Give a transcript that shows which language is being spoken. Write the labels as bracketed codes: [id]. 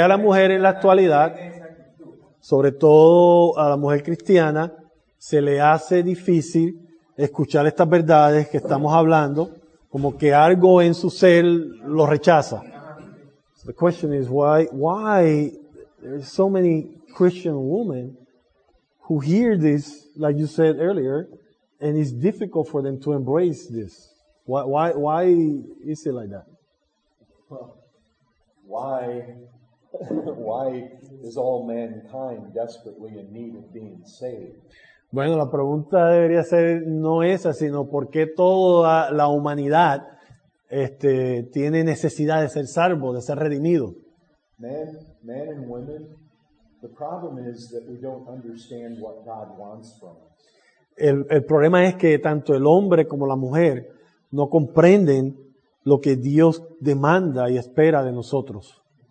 [es] a la mujer en la actualidad, sobre todo a la mujer cristiana, se le hace difícil escuchar estas verdades que estamos hablando, como que algo en su ser lo rechaza? [en] So the question is why there are so many Christian women who hear this, like you said earlier, and it's difficult for them to embrace this. Why is it like that? Why is all mankind desperately in need of being saved? [es] Bueno, la pregunta debería ser no esa, sino ¿por qué toda la humanidad tiene necesidad de ser salvo, de ser redimido? [en] Man and women, the problem is that we don't understand what God wants from us. [es] El problema es que tanto el hombre como la mujer no comprenden lo que Dios demanda y espera de nosotros.